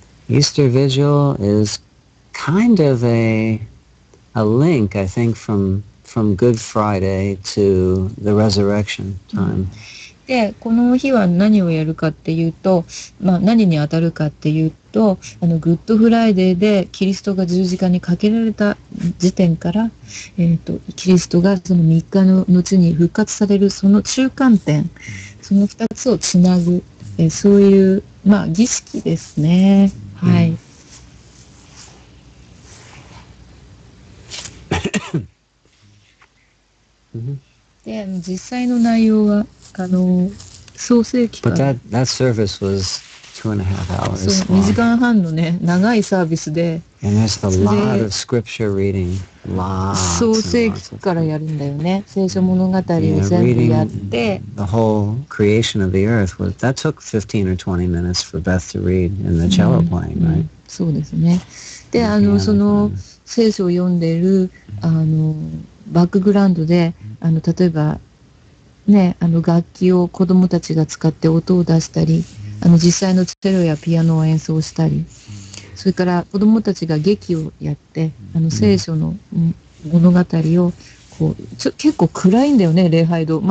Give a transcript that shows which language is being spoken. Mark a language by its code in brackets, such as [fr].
[en] Easter Vigil is kind of a link, I think, from Good Friday to the resurrection time.、 [ja] で、この日は何をやるかっていうと、まあ何に当たるかっていうと、あのグッドフライデーでキリストが十字架にかけられた時点から、キリストがその3日の後に復活されるその中間点、その2つをつなぐ、そういう、まあ、儀式ですね。はい。で、実際の内容は、あの、創世記から。 [en] But that service was two and a half hours long. [ja] そう、2時間半のね、長いサービスで。 [en] And there's a lot of scripture reading. Lots. [ja] 創世記からやるんだよね。聖書物語を全部やって。 [en] The whole creation of the earth was, that took 15 or 20 minutes for Beth to read in the cello playing, right? [ja] そうですね。で、あの、その、聖書を読んでいる、あの、バックグラウンドで、あの、例えば、ね、あの、楽器を子供たちが使って音を出したり、あの、実際のチェロやピアノを演奏したり、それから子供たちが劇をやって、あの、聖書の物語を、こう、結構暗いんだよね、礼拝堂。